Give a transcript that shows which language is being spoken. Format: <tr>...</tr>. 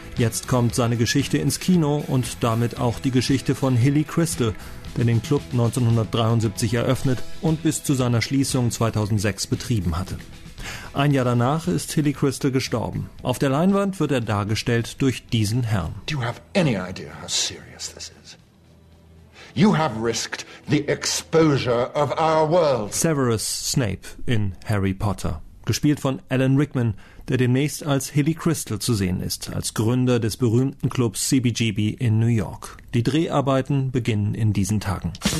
<de>Jetzt kommt seine Geschichte ins Kino und damit auch die Geschichte von Hilly Crystal, der den Club 1973 eröffnet und bis zu seiner Schließung 2006 betrieben hatte. Ein Jahr danach ist Hilly Crystal gestorben. Auf der Leinwand wird er dargestellt durch diesen Herrn.</de> <en>Do you have any idea how serious this is? You have risked the exposure of our world.</en> <de>Severus Snape in Harry Potter, gespielt von Alan Rickman, der demnächst als Hilly Crystal zu sehen ist, als Gründer des berühmten Clubs CBGB in New York. Die Dreharbeiten beginnen in diesen Tagen.</de>